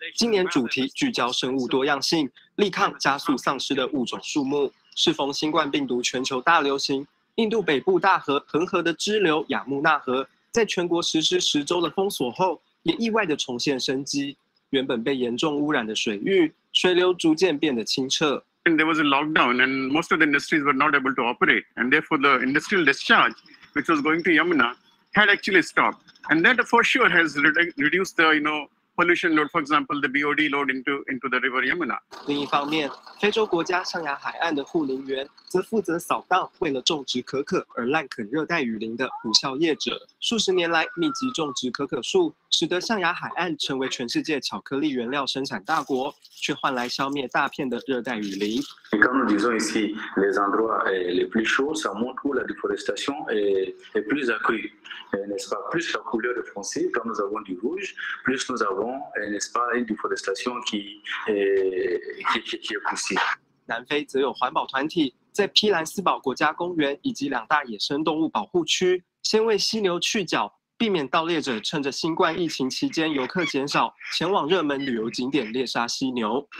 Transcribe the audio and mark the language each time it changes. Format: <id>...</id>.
<zh>今年主题聚焦生物多样性，力抗加速丧失的物种数目。适逢新冠病毒全球大流行，印度北部大河恒河的支流亚穆纳河，在全国实施10周的封锁后，也意外地重现生机。原本被严重污染的水域，水流逐渐变得清澈。</zh> <en>And there was a lockdown, and most of the industries were not able to operate, and therefore the industrial discharge, which was going to Yamuna, had actually stopped, and that for sure has reduced the pollution load, for example, the BOD load into the river Yamuna.</en> <zh>另一方面，非洲国家象牙海岸的护林员则负责扫荡为了种植可可而滥垦热带雨林的捕鞘业者。数十年来，密集种植可可树，使得象牙海岸成为全世界巧克力原料生产大国，却换来消灭大片的热带雨林。</zh> <fr>Comme nous disons ici, les endroits les plus chauds, ça montre où la déforestation est plus accrue, n'est-ce pas? Plus la couleur est foncée, quand nous avons du rouge, plus nous avons, n'est-ce pas, une déforestation qui est poussée.</fr> <zh>南非则有环保团体在匹兰斯堡国家公园以及两大野生动物保护区，先为犀牛去角。避免盗猎者趁着新冠疫情期间游客减少，前往热门旅游景点猎杀犀牛。</zh>